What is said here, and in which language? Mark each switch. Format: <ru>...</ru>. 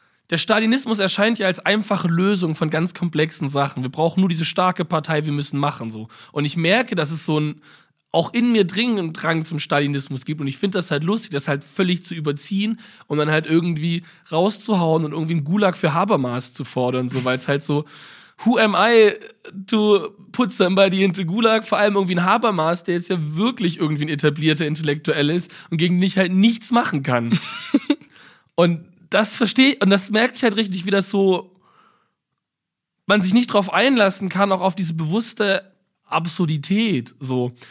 <de>Der Stalinismus erscheint ja als einfache Lösung von ganz komplexen Sachen. Wir brauchen nur diese starke Partei, wir müssen machen so. Und ich merke, dass es so ein auch in mir dringend Drang zum Stalinismus gibt. Und ich finde das halt lustig, das halt völlig zu überziehen und dann halt irgendwie rauszuhauen und irgendwie einen Gulag für Habermas zu fordern. So, weil es halt so,</de> <en>who am I to put somebody into Gulag?</en> <de>Vor allem irgendwie ein Habermas, der jetzt ja wirklich irgendwie ein etablierter Intellektuell ist und gegen den ich halt nichts machen kann. Und das verstehe ich und das merke ich halt richtig, wie das so, man sich nicht drauf einlassen kann, auch auf diese bewusste Absurdität so.</de>